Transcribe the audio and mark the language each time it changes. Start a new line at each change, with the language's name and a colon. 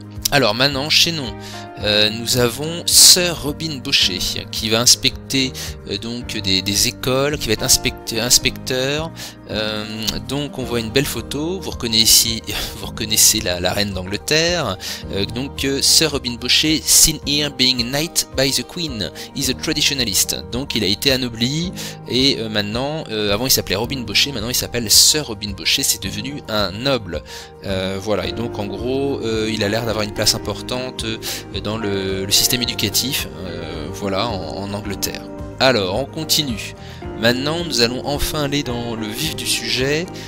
French: Alors maintenant, chez nous, nous avons Sir Robin Baucher qui va inspecter donc des écoles, qui va être inspecteur. Donc on voit une belle photo, vous reconnaissez la reine d'Angleterre.
English: Sir Robin Baucher, seen here being knighted by the Queen, is a traditionalist.
French: Donc il a été anobli et maintenant, avant il s'appelait Robin Baucher, maintenant il s'appelle Sir Robin Baucher, c'est devenu un noble. Voilà, et donc en gros, il a l'air d'avoir une place importante dans le système éducatif, voilà, en Angleterre. Alors, on continue. Maintenant, nous allons enfin aller dans le vif du sujet.